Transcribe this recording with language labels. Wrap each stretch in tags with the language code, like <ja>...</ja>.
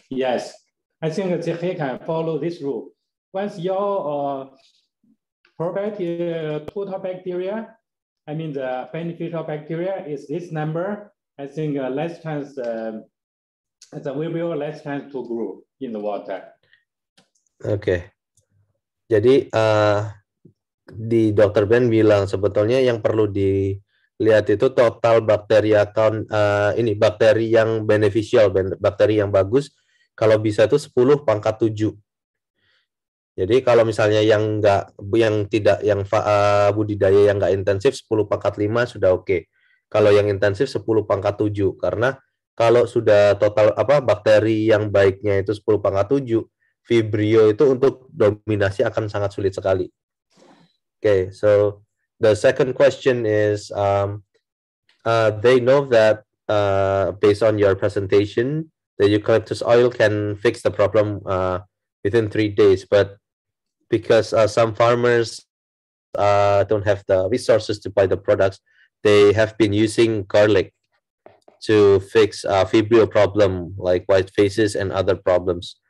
<en>Yes, I think that he can follow this rule. Once your total bacteria, I mean the beneficial bacteria is this number, I think less chance, so we will less chance to grow in the water.</en> <id>Okay. Jadi di Dr. Ben bilang sebetulnya yang perlu dilihat itu total bakteri account ini bakteri yang beneficial, bakteri yang bagus kalau bisa itu 10 pangkat 7. Jadi kalau misalnya budidaya yang enggak intensif 10 pangkat 5 sudah oke. Kalau yang intensif 10 pangkat 7 karena kalau sudah total apa bakteri yang baiknya itu 10 pangkat 7 Vibrio itu untuk dominasi akan sangat sulit sekali.</id> <en>Okay, so the second question is, they know that based on your presentation, the eucalyptus oil can fix the problem within 3 days, but because some farmers don't have the resources to buy the products, they have been using garlic to fix Vibrio problem, like white faces and other problems.</en>